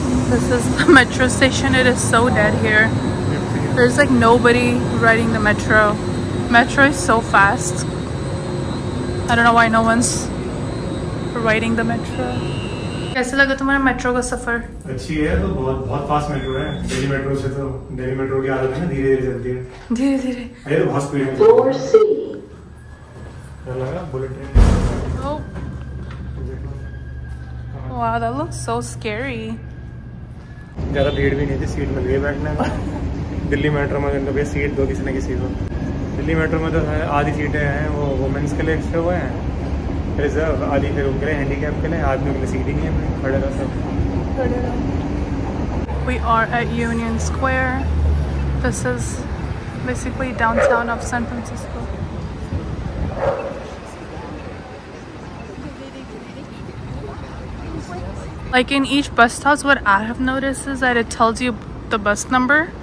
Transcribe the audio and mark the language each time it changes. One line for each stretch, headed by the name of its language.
English: This is the metro station. It is so dead here. There's like nobody riding the metro. Metro is so fast. I don't know why no one's riding the metro.
Hindi: कैसे लगा तुम्हारा metro का सफर? अच्छी है तो बहुत बहुत fast metro है. दिल्ली मेट्रो से तो दिल्ली मेट्रो की आदत है ना धीरे धीरे चलती है. धीरे धीरे. अरे तो बहुत स्पीड है.
English: Floor C.
Hindi: लगा bullet train.
English: Oh. Wow, that looks so scary.
Hindi: ज़्यादा भीड़ भी नहीं थी सीट मिल गई बैठने में. दिल्ली मेट्रो में तो भैया सीट दो किसी न किसी को. दिल्ली मेट्रो में तो आधी सीटें हैं वो वुमेंस के लिए एक्स्ट्रा हुए हैं रिजर्व आधी फिर उनके लिए हैंडीकैप के लिए आदमी के लिए सीट ही नहीं है खड़े रहो सब.
English: We are at Union Square. This is basically downtown of San Francisco. Like in each bus stops, what I have noticed is that it tells you the bus number.